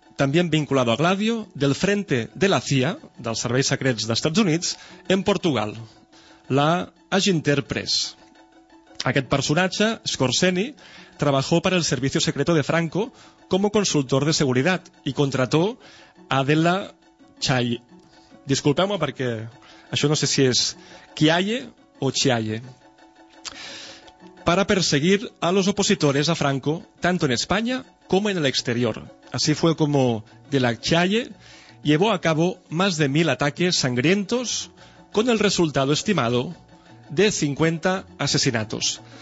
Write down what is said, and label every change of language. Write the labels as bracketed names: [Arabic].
[Spanish] también vinculado a Gladio, del Frente de la CIA, [Catalan] dels serveis secrets d'Estats Units, [Spanish] en Portugal, la Aginter Press. [Catalan] Aquest personatge, [Spanish] Scorseni, trabajó para el Servicio Secreto de Franco como consultor de seguridad y contrató a Adela Chay. [Catalan] Disculpeu-me perquè això no sé si és Chiaye o Chiaye. [Spanish] Para perseguir a los opositores a Franco, tanto en España como en el exterior. Así fue como de la Chiaye llevó a cabo más de 1000 ataques sangrientos con el resultado estimado de 50 asesinatos.